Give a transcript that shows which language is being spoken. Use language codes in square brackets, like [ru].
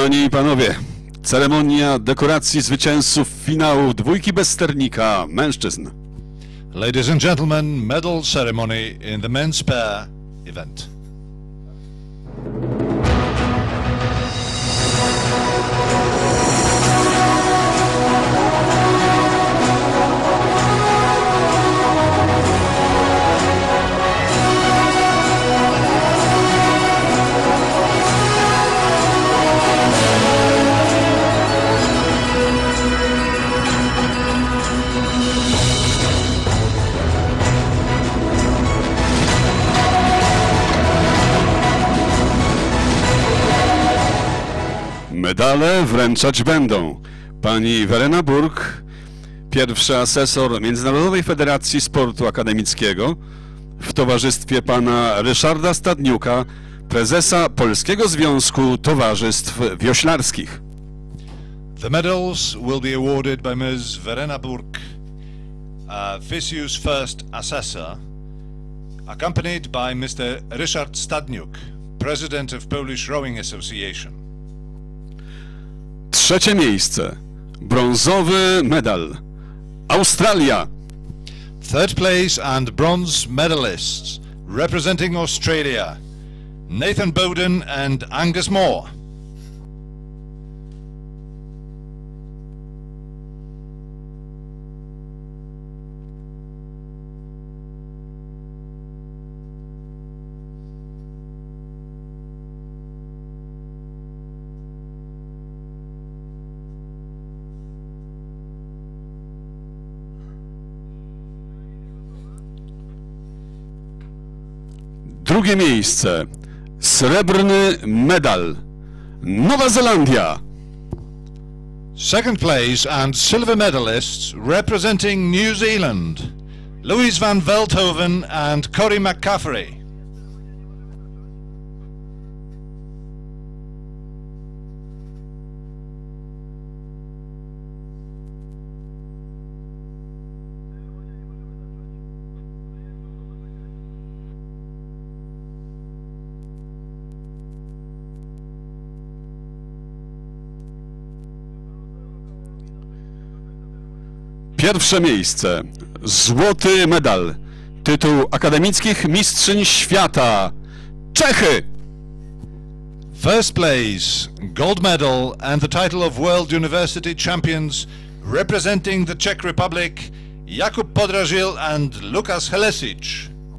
[pl] Panowie, ceremonia dekoracji zwycięzców finału dwójki bez sternika mężczyzn. [en] Ladies and gentlemen, medal ceremony in the men's pair event. [pl] medale wręczać będą pani Werena Burg, pierwszy asesor Międzynarodowej Federacji Sportu Akademickiego, w towarzystwie pana Ryszarda Stadniuka, prezesa Polskiego Związku Towarzystw Wioślarskich. [en] The medals will be awarded by Ms. Werena Burg, FISU's first assessor, accompanied by Mr. Ryszard Stadniuk, president of Polish Rowing Association. [pl] Trzecie miejsce, brązowy medal, Australia. [en] Third place and bronze medalists, representing Australia, Nathan Bowden and Angus Moore. [pl] Drugie miejsce, srebrny medal, Nowa Zelandia. [en] Second place and silver medalists representing New Zealand, Louise van Veldhoven and Corey McCaffrey. [pl] Pierwsze miejsce, złoty medal, tytuł akademickich mistrzyń świata, Czechy. [en] First place, gold medal and the title of World University Champions, representing the Czech Republic, Jakub Podrażil and Lukas Helesic.